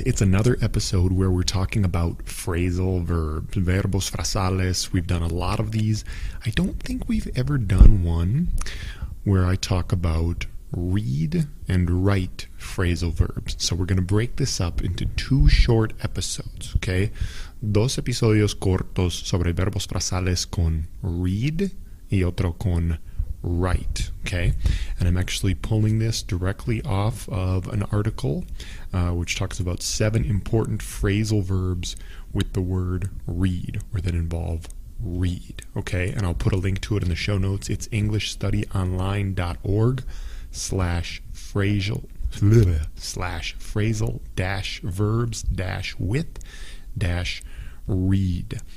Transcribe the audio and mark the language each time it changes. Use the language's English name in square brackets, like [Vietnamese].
[English] It's another episode where we're talking about phrasal verbs, [Spanish] verbos frasales. [English] We've done a lot of these. I don't think we've ever done one where I talk about read and write phrasal verbs. So we're going to break this up into two short episodes, okay? [Spanish] Dos episodios cortos sobre verbos frasales con read y otro con write, okay? [English] And I'm actually pulling this directly off of an article which talks about seven important phrasal verbs with the word read or that involve read, okay? And I'll put a link to it in the show notes. It's englishstudyonline.org/phrasal-verbs-with-read.